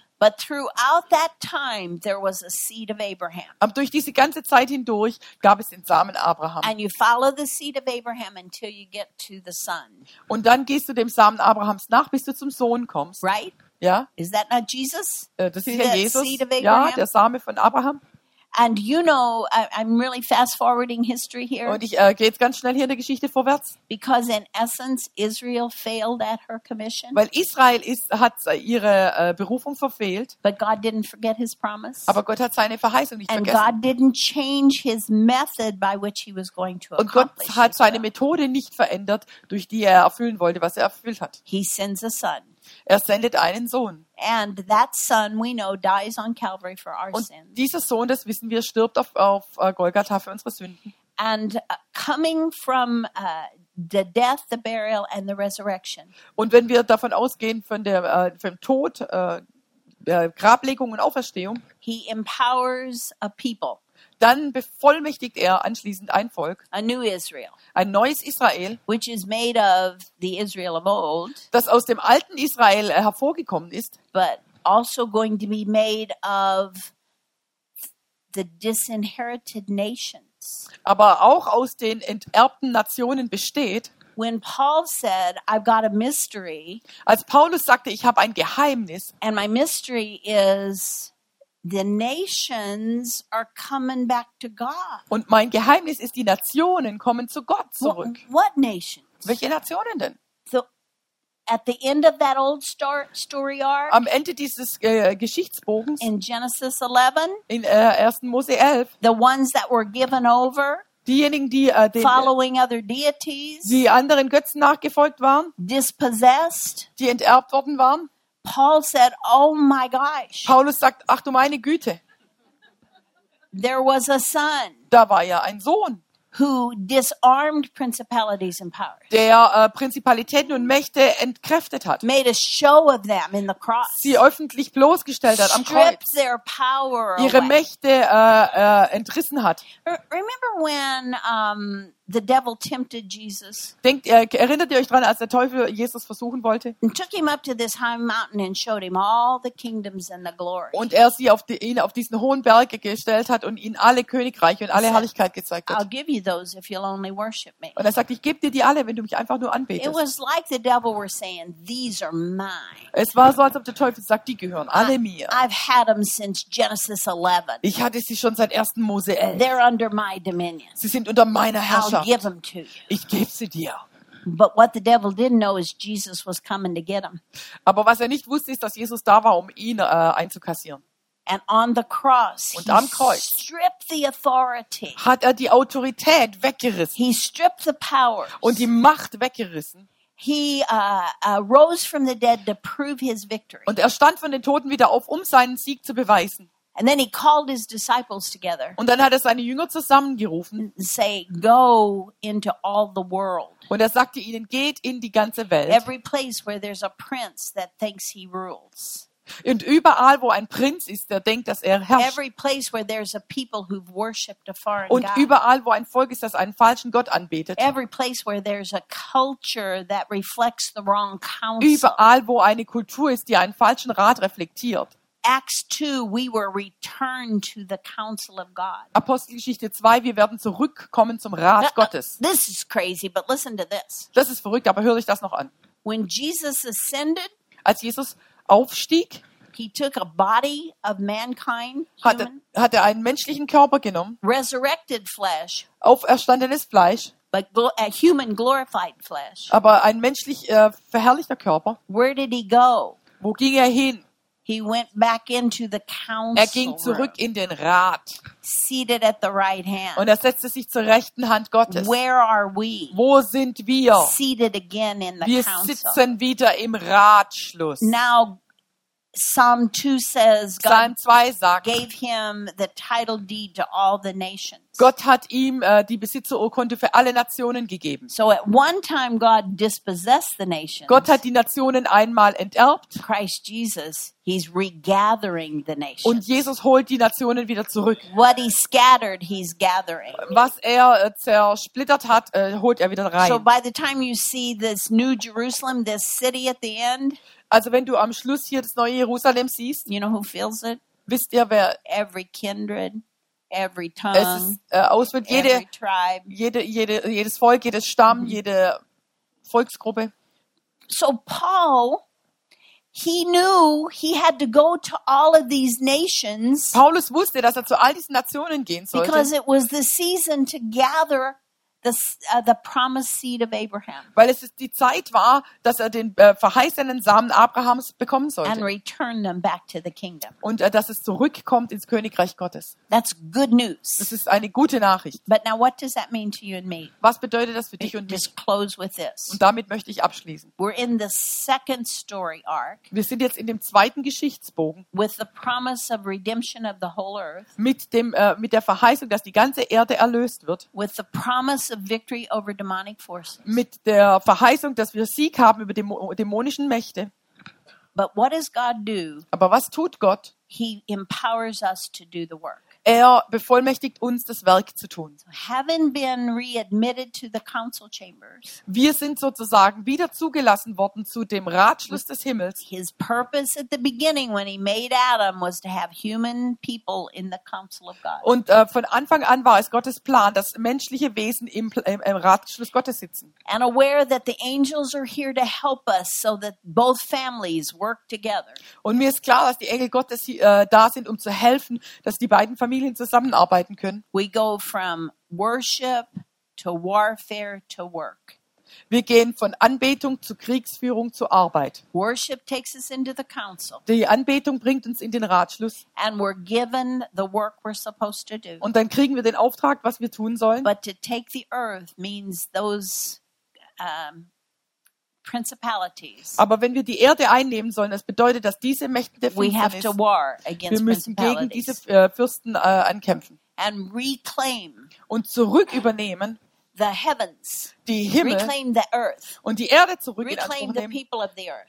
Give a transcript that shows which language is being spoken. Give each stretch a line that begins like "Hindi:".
English: But throughout that time, there was a seed of Abraham.
German: Aber durch diese ganze Zeit hindurch gab es den Samen Abraham.
English: And you follow the seed of Abraham until you get to the son.
German: Und dann gehst du dem Samen Abrahams nach, bis du zum Sohn kommst.
English: Right?
German: Ja.
English: Is that not Jesus?
German: Das ist ja Jesus.
English: Seed of Abraham?
German: Ja, der Same von Abraham.
English: And you know, I'm really fast-forwarding history here.
German: Und ich gehe jetzt ganz schnell hier in der Geschichte vorwärts.
English: Because in essence, Israel failed at her commission.
German: Weil Israel hat ihre Berufung verfehlt.
English: But God didn't forget his promise.
German: Aber Gott hat seine Verheißung nicht
English: and
German: vergessen.
English: And God didn't change his method by which he was going to accomplish.
German: Und Gott hat seine Methode nicht verändert, durch die er erfüllen wollte, was er erfüllt hat.
English: He sends a son.
German: Er sendet einen Sohn.
English: And that son, we know, dies on Calvary for our
German: und
English: sins.
German: Dieser Sohn, das wissen wir, stirbt auf Golgatha für unsere Sünden.
English: And coming from the death, the burial, and the resurrection.
German: Und wenn wir davon ausgehen von der vom Tod, der Grablegung und Auferstehung,
English: he empowers a people.
German: Dann bevollmächtigt er anschließend ein Volk,
English: a new Israel,
German: ein neues Israel,
English: which is made of the Israel of old,
German: das aus dem alten Israel hervorgekommen ist,
English: but also going to be made of the disinherited nations.
German: Aber auch aus den enterbten Nationen besteht.
English: When Paul said, I've got a mystery,
German: als Paulus sagte, ich habe ein Geheimnis,
English: and my mystery is the nations are coming back to God.
German: Und mein Geheimnis ist, die Nationen kommen zu Gott zurück.
English: What nations?
German: Welche Nationen denn?
English: So, at the end of that old story arc,
German: am Ende dieses Geschichtsbogens,
English: in Genesis 11,
German: in 1. Mose 11,
English: the ones that were given over,
German: diejenigen, die
English: following other deities,
German: die anderen Götzen nachgefolgt waren,
English: dispossessed,
German: die enterbt worden waren,
English: Paul said, "Oh my gosh."
German: Paulus sagt, ach du meine Güte.
English: There was a son.
German: Da war ja ein Sohn.
English: Who disarmed principalities and powers.
German: Der Prinzipalitäten und Mächte entkräftet hat.
English: Made a show of them in the cross.
German: Sie öffentlich bloßgestellt hat am Kreuz.
English: Their power
German: ihre
English: away.
German: Mächte entrissen hat.
English: Remember when the devil tempted Jesus?
German: Denkt erinnert ihr euch dran, als der Teufel Jesus versuchen wollte?
English: And took him up to this high mountain and showed him all the kingdoms and the glory.
German: Und er sie auf diesen hohen Berg gestellt hat und ihnen alle Königreiche und alle Herrlichkeit gezeigt hat.
English: I'll give you those if you'll only worship me.
German: Und er sagt, ich gebe dir die alle, wenn du mich einfach nur anbetest.
English: It was like the devil were saying, these are mine.
German: Es war so, als ob der Teufel sagt, die gehören alle mir.
English: I've had them since Genesis 11.
German: Ich hatte sie schon seit 1. Mose 11.
English: They're under my dominion.
German: Sie sind unter meiner Herrschaft.
English: Give them to you.
German: Ich gebe sie dir.
English: But what the devil didn't know is Jesus was coming to get them.
German: Aber was nicht wusste ist, dass Jesus da war, ihn einzukassieren.
English: And on the cross,
German: und am Kreuz,
English: he stripped the authority.
German: Hat die Autorität weggerissen.
English: He stripped the power.
German: Und die Macht weggerissen.
English: He rose from the dead to prove his victory.
German: Und stand von den Toten wieder auf, seinen Sieg zu beweisen.
English: And then he called his disciples together.
German: Und dann hat seine Jünger zusammengerufen.
English: Say, go into all the world.
German: Und sagte ihnen, geht in die ganze Welt.
English: Every place where there's a prince that thinks he rules.
German: Und überall, wo ein Prinz ist, der denkt, dass er herrscht.
English: Every place where there's a people who've worshipped a foreign
German: und
English: God.
German: Überall, wo ein Volk ist, das einen falschen Gott anbetet.
English: Every place where there's a culture that reflects the wrong counsel.
German: Überall, wo eine Kultur ist, die einen falschen Rat reflektiert.
English: Acts 2, we were returned to the counsel of God.
German: Apostelgeschichte 2, wir werden zurückkommen zum Rat Gottes.
English: This is crazy, but listen to this.
German: Das ist verrückt, aber hör dich das noch an.
English: When Jesus ascended,
German: als Jesus aufstieg,
English: he took a body of mankind,
German: hat er einen menschlichen Körper genommen,
English: resurrected flesh,
German: auferstandenes Fleisch,
English: but a human glorified flesh.
German: Aber ein menschlich verherrlichter Körper.
English: Where did he go?
German: Wo ging er hin?
English: He went back into the council.
German: Er ging zurück in den Rat.
English: Seated at the right hand.
German: Und er setzte sich zur rechten Hand Gottes.
English: Where are we?
German: Wo sind wir?
English: Seated again in the
German: wir
English: council.
German: Wir sitzen wieder im Ratschluss.
English: Now Psalm 2 says
German: Psalm 2 sagt,
English: gave him the title deed to all the nations.
German: Gott hat ihm die Besitzerurkunde für alle Nationen gegeben.
English: So at one time God dispossessed the nations.
German: Gott hat die Nationen einmal enterbt.
English: Christ Jesus, he's regathering the nations.
German: Und Jesus holt die Nationen wieder zurück.
English: What he scattered, he's gathering.
German: Was er zersplittert hat, holt er wieder rein.
English: So by the time you see this new Jerusalem, this city at the end,
German: also wenn du am Schluss hier das neue Jerusalem siehst,
English: you know who feels it?
German: Wisst ihr wer?
English: Every kindred, every tongue,
German: es ist, auswählt jede,
English: every tribe.
German: Jedes Volk, jedes Stamm, mm-hmm. jede Volksgruppe.
English: So Paul, he knew he had to go to all of these nations.
German: Paulus wusste, dass er zu all diesen Nationen gehen sollte.
English: Because it was the season to gather the promised seed of Abraham.
German: Weil es die Zeit war, dass er den verheißenen Samen Abrahams bekommen sollte.
English: And return them back to the kingdom.
German: Und dass es zurückkommt ins Königreich Gottes.
English: That's good news.
German: Das ist eine gute Nachricht.
English: But now what does that mean to you and me?
German: Was bedeutet das für dich und mich?
English: Just close with this.
German: Und damit möchte ich abschließen.
English: We're in the second story arc.
German: Wir sind jetzt in dem zweiten Geschichtsbogen.
English: With the promise of redemption of the whole earth.
German: Mit der Verheißung, dass die ganze Erde erlöst wird.
English: With the promise of victory over demonic forces.
German: Mit der Verheißung, dass wir Sieg haben über dämonischen Mächte.
English: But what does God do?
German: Aber was tut Gott?
English: He empowers us to do the work.
German: Er bevollmächtigt uns, das Werk zu tun.
English: Having been readmitted to the council chambers,
German: wir sind sozusagen wieder zugelassen worden zu dem Ratschluss des Himmels.
English: His purpose at the beginning when he made Adam was to have human people in the council of God.
German: Und von Anfang an war es Gottes Plan, dass menschliche Wesen im Ratschluss Gottes sitzen.
English: And aware that the angels are here to help us so that both families work together.
German: Und mir ist klar, dass die Engel Gottes da sind, um zu helfen, dass die beiden Familien zusammenarbeiten können.
English: We go from worship to warfare to work.
German: Wir gehen von Anbetung zu Kriegsführung zu Arbeit.
English: Worship takes us into the council.
German: Die Anbetung bringt uns in den Ratschluss.
English: And we're given the work we're supposed to do.
German: Und dann kriegen wir den Auftrag, was wir tun sollen.
English: But to take the earth means those principalities.
German: Aber wenn wir die Erde einnehmen sollen, das bedeutet, dass diese Mächte der Finsternis,
English: we have to war against
German: wir müssen gegen diese Fürsten ankämpfen.
English: And reclaim
German: und zurück übernehmen
English: the heavens,
German: die Himmel
English: reclaim the earth,
German: und die Erde zurück
English: reclaim
German: in Anspruch nehmen
English: the people of the earth.